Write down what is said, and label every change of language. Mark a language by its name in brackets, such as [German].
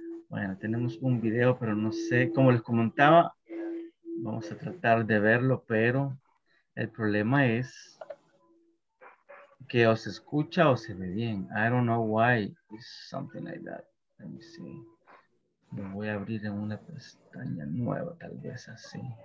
[Spanish] Bueno, tenemos un video, pero no sé, como les comentaba, vamos a tratar de verlo, pero el problema es que o se escucha o se ve bien. [English] I don't know why it's something like that. Let me see. [Spanish] Me voy a abrir en una pestaña nueva, tal vez así.